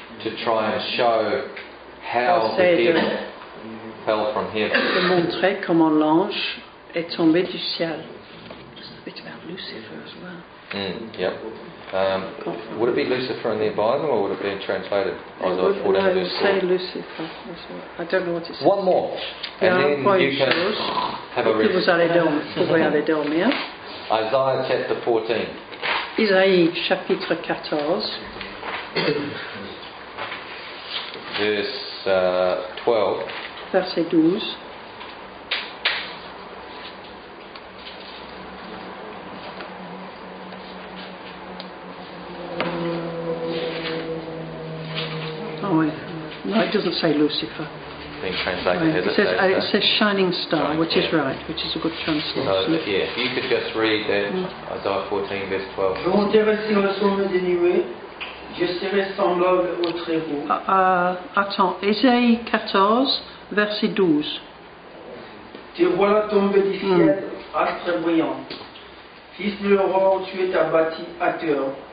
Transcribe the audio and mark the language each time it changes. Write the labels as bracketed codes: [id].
[en] To try and show how the devil fell from heaven. [fr] De montrer comment l'ange est tombé du ciel. [en] It's a bit about Lucifer as well. Would it be Lucifer in their Bible, or would it be translated? Isaiah 14, verse 4. Lucifer. One more, and then you can have a rest. [fr] Vous allez dormir. [en] Isaiah chapter 14. [fr] Isaïe chapitre 14. Verset 12. [en] It doesn't say Lucifer. It says Shining Star, which is a good translation. So, if you could just read that, Isaiah 14, verse 12. [fr] Je monterai sur le sommet des nuées, je serai semblable au très haut. Isaïe 14, verset 12. Tu vois la tombe du ciel, astre brillant. Fils de l'aurore, tu es abattu à terre.